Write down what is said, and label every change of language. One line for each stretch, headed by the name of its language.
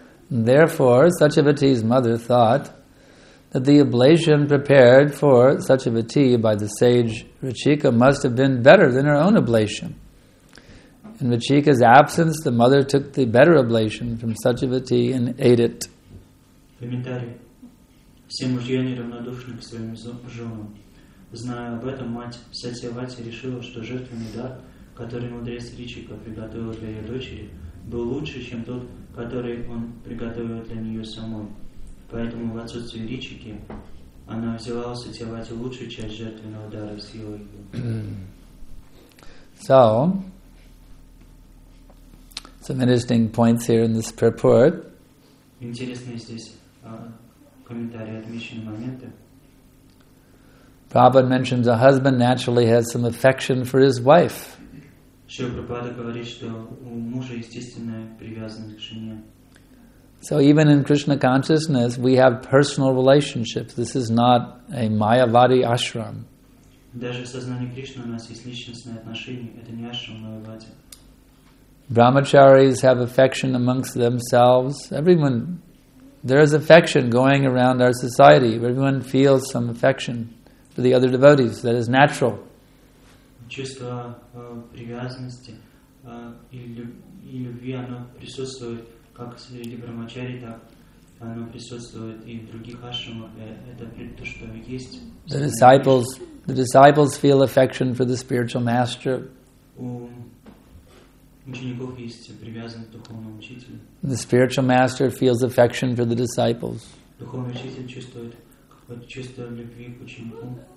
English: Therefore, Satyavati's mother thought that the oblation prepared for Satyavati by the sage Ruchika must have been better than her own oblation. In Ruchika's absence, the mother took the better oblation from Satyavati and ate it.
Russian: Комментарий. Все мужья неравнодушны к своим женам. Зная об этом, мать Сатьявати решила, что жертвенный дар, который мудрец Ричика приготовил для ее дочери, был лучше, чем тот, который он приготовил для нее самой. Поэтому в отсутствие Ричики она взяла Сатьявати лучшую часть жертвенного дара и съела ее.
English: So, some interesting points here in this purport.
Russian: Интересные здесь комментарии, отмеченные моменты.
English: Prabhupada mentions a husband naturally has some affection for his wife.
Russian: Шрила Прабхупада говорит, что у мужа естественная привязанность к жене.
English: So even in Krishna consciousness, we have personal relationships. This is not a Mayavadi ashram.
Russian: Даже в сознании Кришны у нас есть личностные отношения. Это не ашрам, Майявади.
English: Brahmacharis have affection amongst themselves. Everyone, there is affection going around our society. Everyone feels some affection for the other devotees. That is natural.
Russian: Чувство привязанности и любви, оно присутствует как среди брамачари, так оно присутствует и в других ашрамах. Это то, что есть.
English: The disciples feel affection for the spiritual master.
Russian: У учеников есть привязанность к духовному учителю.
English: The spiritual master feels affection for the disciples.
Russian: Духовный учитель чувствует какое-то чувство любви к ученику.